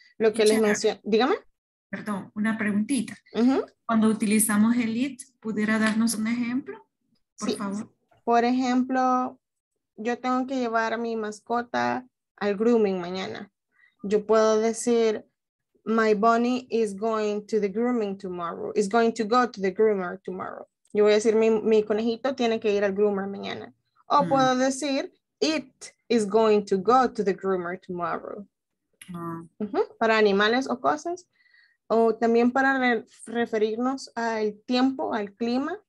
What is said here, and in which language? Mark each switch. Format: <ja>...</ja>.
<es>Lo que les mencioné. Dígame. Perdón, una preguntita. Uh-huh. Cuando utilizamos el it, ¿pudiera darnos un ejemplo? Por sí. Favor. Por ejemplo, yo tengo que llevar a mi mascota al grooming mañana. Yo puedo decir,</es> <en>my bunny is going to the grooming tomorrow. Is going to go to the groomer tomorrow.</en> <es>Yo voy a decir, mi conejito tiene que ir al groomer mañana. O mm. puedo decir,</es> <en>it is going to go to the groomer tomorrow. Mm. Uh-huh.</en> <es>Para animales o cosas. O también para referirnos al tiempo, al clima.</es>